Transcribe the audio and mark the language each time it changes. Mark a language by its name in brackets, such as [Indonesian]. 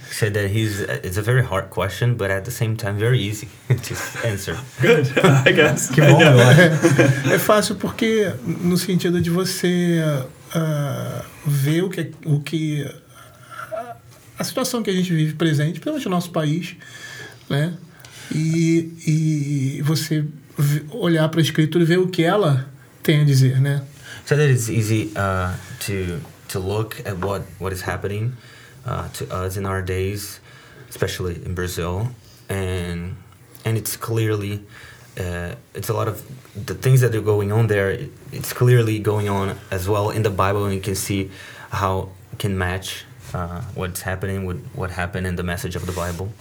[English] He said that it's a very hard question, but at the same time, very easy to answer. Good, I guess. [Portuguese] Que bom, [English] yeah. [Portuguese] É fácil porque, no sentido de você ver o que a situação que a gente vive presente, principalmente no nosso país, né? E você olhar para a Escritura e ver o que ela tem a dizer, né? [English] So that it's easy to look at what is happening to us in our days, especially in Brazil, and it's clearly it's a lot of the things that are going on there. It's clearly going on as well in the Bible, and you can see how it can match what's happening with what happened in the message of the Bible.